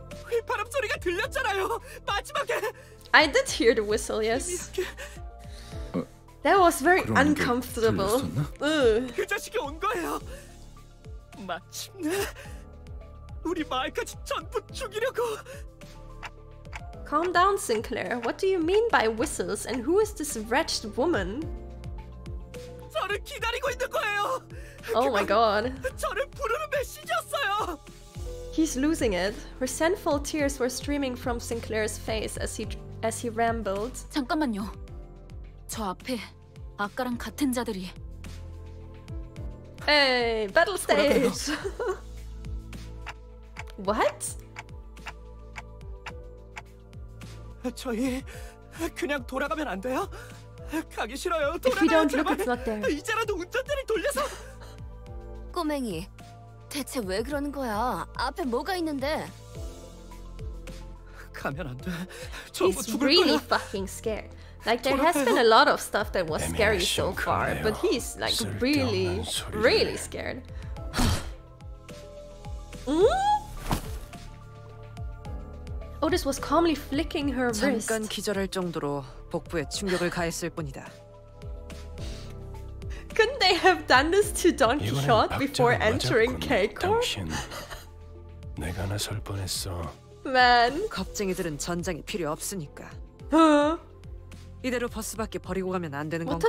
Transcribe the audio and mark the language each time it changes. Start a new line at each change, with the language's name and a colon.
Korean: 휘파람 소리가 들렸잖아요. 마지막에
English: I did hear the whistle. Yes. That was very uncomfortable.
Korean: 그 자식이 온 거예요. 마침내 우리 마을까지 전부 죽이려고.
English: Calm down, Sinclair. What do you mean by whistles, and who is this wretched woman?
Korean: 저를 기다리고 있는 거예요.
English: Oh my God.
Korean: 저를 부르는 메시지였어요.
English: He's losing it. Resentful tears were streaming from Sinclair's face as he rambled.
Korean: 잠깐만요. 저 앞에 아까랑 같은 자들이.
English: Hey, battle stage. What?
Korean: 저희 그냥 돌아가면 안 돼요? 가기 싫어요. 돌아가면 제발. 이제라도 운전대를 돌려서. 꼬맹이, 대체 왜 그러는 거야? 앞에 뭐가 있는데? 가면 안 돼. 전부 죽을 거야.
English: He's really fucking scared. Like, there has been a lot of stuff that was scary so far, but he's, like, really, really scared. Otis was calmly flicking her wrist.
Korean: 잠깐 기절할 정도로 복부에 충격을 가했을 뿐이다.
English: Couldn't they have done this to Don Quixote before entering K-Corp?
Korean: 내가 나설 뻔했어.
English: Man.
Korean: 겁쟁이들은 전장이 필요 없으니까. 이대로 버스 밖에 버리고 가면 안 되는 건가?